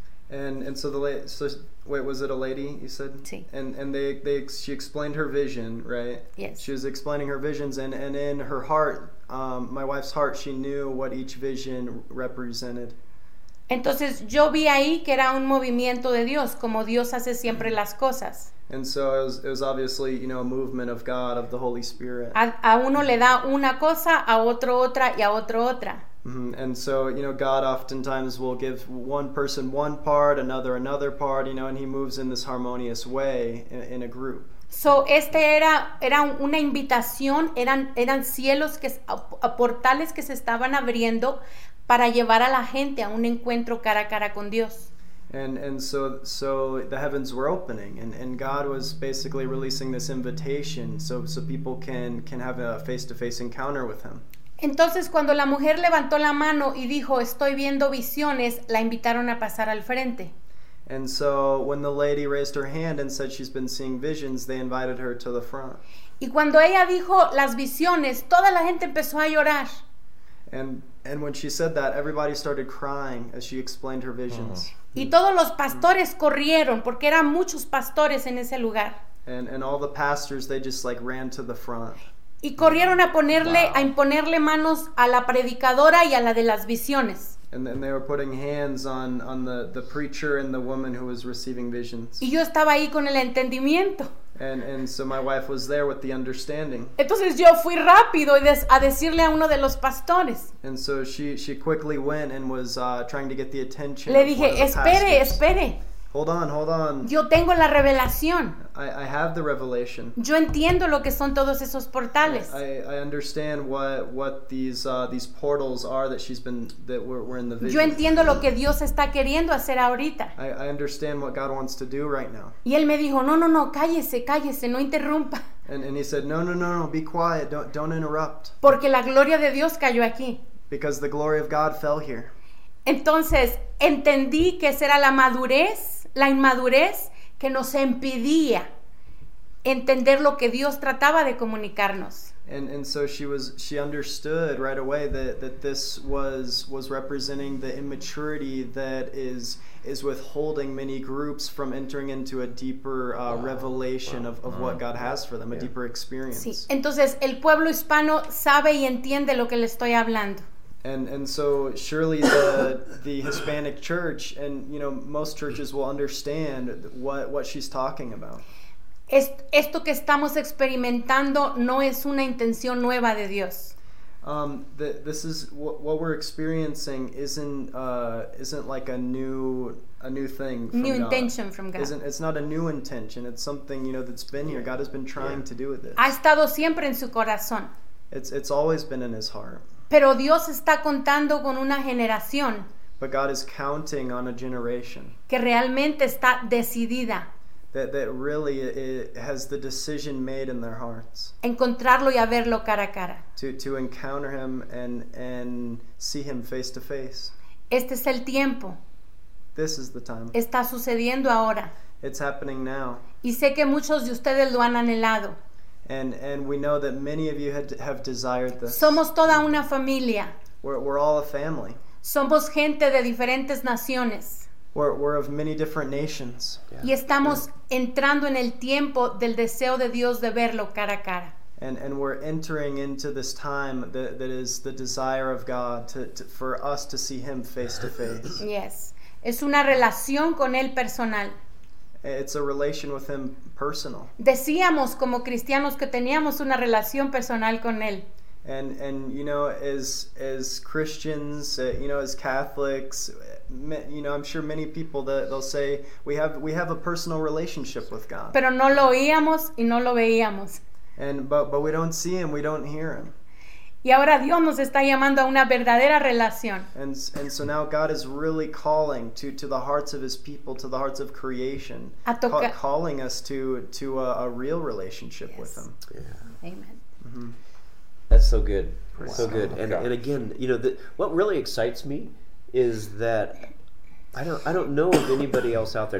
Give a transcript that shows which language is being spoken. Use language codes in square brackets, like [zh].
[en] And so the lady, so, wait, was it a lady you said? [es] Sí. [en] And they she explained her vision, right? Yes. She was explaining her visions and in her heart, my wife's heart, she knew what each vision represented. [es] Entonces yo vi ahí que era un movimiento de Dios, como Dios hace siempre las cosas. [en] And so it was obviously, you know, a movement of God, of the Holy Spirit. [es] A uno le da una cosa, a otro otra, y a otro otra. [en] And so, you know, God oftentimes will give one person one part, another part, you know, and he moves in this harmonious way in a group. [es] So este era una invitación, eran cielos, que portales que se estaban abriendo para llevar a la gente a un encuentro cara a cara con Dios. [en] And so the heavens were opening, and God was basically releasing this invitation so people can have a face-to-face encounter with him. [es] Entonces, cuando la mujer levantó la mano y dijo, estoy viendo visiones, la invitaron a pasar al frente. [en] And so, when the lady raised her hand and said she's been seeing visions, they invited her to the front. [es] Y cuando ella dijo las visiones, toda la gente empezó a llorar. [en] And when she said that, everybody started crying as she explained her visions. [es] Uh-huh. Y todos los pastores corrieron, porque eran muchos pastores en ese lugar. [en] And all the pastors, they just like ran to the front. [es] Y corrieron a ponerle, wow, a imponerle manos a la predicadora y a la de las visiones. [en] And they were putting hands on the preacher and the woman who was receiving visions. [es] Y yo estaba ahí con el entendimiento. [en] And so my wife was there with the understanding. [es] Entonces yo fui rápido a decirle a uno de los pastores. [en] And so she quickly went and was trying to get the attention. [es] Le dije, espere, espere. [en] Hold on. [es] Yo tengo la revelación. [en] I have the revelation. [es] Yo entiendo lo que son todos esos portales. [en] I understand what these portals are that we're in the vision. [es] Yo entiendo lo que Dios está queriendo hacer ahorita. [en] I understand what God wants to do right now. [es] Y él me dijo, no, cállese, no interrumpa. [en] And he said, no, be quiet, don't interrupt. [es] Porque la gloria de Dios cayó aquí. [en] Because the glory of God fell here. [es] Entonces, entendí que esa era la inmadurez que nos impedía entender lo que Dios trataba de comunicarnos. [en] And so she understood right away that this was representing the immaturity that is withholding many groups from entering into a deeper revelation of what God has for them, a deeper experience. [es] Sí. Entonces, el pueblo hispano sabe y entiende lo que le estoy hablando. [en] And so surely the Hispanic church, and you know, most churches will understand what she's talking about. [es] Esto que estamos experimentando no es una intención nueva de Dios. [en] This is what we're experiencing isn't like a new thing from new God. Intention from God. It's not a new intention. It's something, you know, that's been here. God has been trying to do with this. [es] Ha estado siempre en su corazón. [en] It's always been in his heart. [es] Pero Dios está contando con una generación. [en] But God is counting on a generation. [es] Que realmente está decidida. [en] That really has the decision made in their hearts. [es] Encontrarlo y a verlo cara a cara. [en] To encounter him and see him face to face. [es] Este es el tiempo. [en] This is the time. [es] Está sucediendo ahora. [en] It's happening now. [es] Y sé que muchos de ustedes lo han anhelado. [en] And we know that many of you have desired this. [es] Somos toda una familia. [en] We're all a family. [es] Somos gente de diferentes naciones. [en] We're of many different nations. [es] Yeah. Y estamos entrando en el tiempo del deseo de Dios de verlo cara a cara. [en] And we're entering into this time that is the desire of God for us to see him face to face. Yes. [es] Es una relación con él personal. [en] It's a relation with him personal. [es] Decíamos como cristianos que teníamos una relación personal con él. [en] And you know, as Christians, you know, as Catholics, you know, I'm sure many people they'll say we have a personal relationship with God. [es] Pero no lo oíamos y no lo veíamos. [en] But we don't see him, we don't hear him. [es] Y ahora Dios nos está llamando a una verdadera relación. [en] And so now God is really calling to the hearts of his people, to the hearts of creation. Calling us to a real relationship yes. with him. Yeah. Amen. Mm-hmm. That's so good. Wow. So good. And again, you know, what really excites me is that I don't know of anybody else out there.